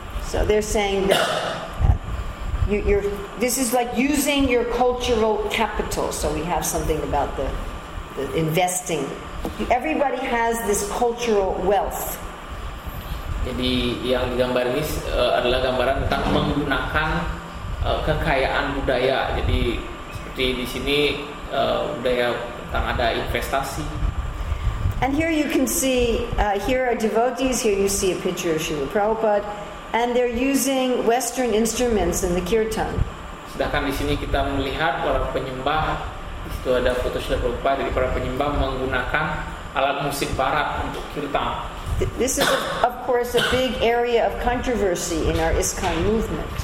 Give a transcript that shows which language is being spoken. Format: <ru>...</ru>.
<en>So they're saying that this is like using your cultural capital. So we have something about the investing. Everybody has this cultural wealth.</en> <id>Jadi yang digambar ini adalah gambaran tentang menggunakan kekayaan budaya. Jadi seperti di sini budaya tentang ada investasi.</id> <en>And here you can see here are devotees. Here you see a picture of Srila Prabhupada. And they're using Western instruments in the kirtan.</en> <id>Sedangkan di sini kita melihat para penyembah, itu ada foto Srila Prabhupada, jadi para penyembah menggunakan alat musik barat untuk kirtan.</id> <en>This is of course a big area of controversy in our ISKCON movement.</en>